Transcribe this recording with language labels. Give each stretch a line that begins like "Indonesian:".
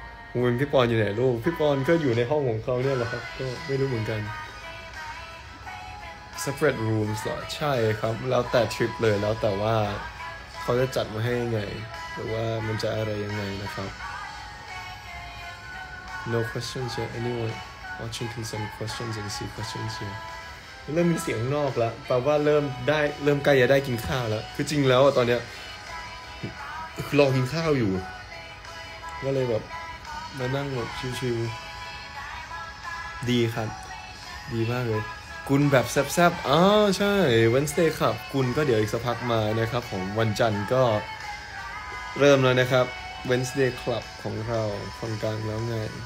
Thai: ผมเป็นพี่ปอนอยู่ไหนลูกพี่ปอนก็อยู่ในห้องของเขาเนี่ยแหละครับก็ไม่รู้เหมือนกัน
English: separate rooms
Thai: เหรอใช่ครับแล้วแต่ทริปเลยแล้วแต่ว่าเขาจะจัดมาให้ยังไงหรือว่ามันจะอะไรยังไงนะครับ
English: No questions here. Anyone watching can send questions and see questions here.
Thai: เริ่มมีเสียงนอกแล้วแปลว่าเริ่มใกล้จะได้กินข้าวแล้วคือจริงแล้วตอนเนี้ยรอกินข้าวอยู่ก็เลยแบบมานั่งแบบชิวๆดีครับดีมากเลยกุนแบบแซ่บๆอ๋อใช่ Wednesday ครับกุนก็เดี๋ยวอีกสักพักมานะครับของวันจันทร์ก็เริ่มแล้วนะครับWednesday Club ของเราคนกลางแล้วไง